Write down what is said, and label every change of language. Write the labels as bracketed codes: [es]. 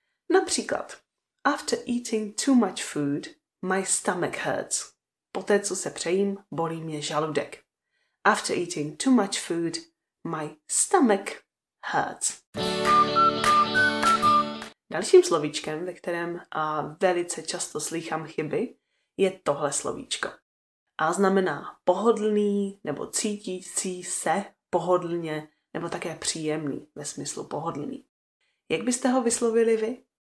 [cs] Například, [en] after eating too much food, my stomach hurts. [cs] Poté, co se přejím, bolí mě žaludek. [en] After eating too much food, my stomach hurts. [cs] Dalším slovíčkem, ve kterém a velice často slýchám chyby, je tohle slovíčko. A znamená pohodlný nebo cítící se pohodlně nebo také příjemný ve smyslu pohodlný. Jak byste ho vyslovili vy?